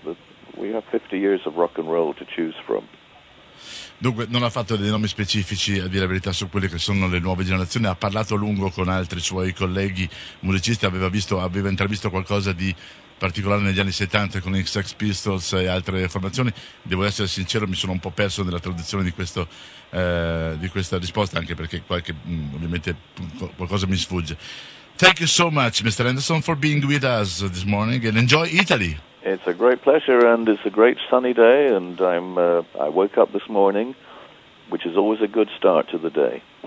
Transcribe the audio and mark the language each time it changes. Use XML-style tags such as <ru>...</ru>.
<en>But we have 50 years of rock and roll to choose from.</en> <it>Dunque, non ha fatto dei nomi specifici, a dire la verità, su quelle che sono le nuove generazioni. Ha parlato a lungo con altri suoi colleghi musicisti, aveva intravisto qualcosa di particolare negli anni 70 con i Sex Pistols e altre formazioni. Devo essere sincero, mi sono un po' perso nella traduzione di questa risposta, anche perché qualche ovviamente qualcosa mi sfugge.</it> <en>Thank you so much, Mr. Anderson, for being with us this morning, and enjoy Italy. It's a great pleasure, and it's a great sunny day, and I woke up this morning, which is always a good start to the day.</en>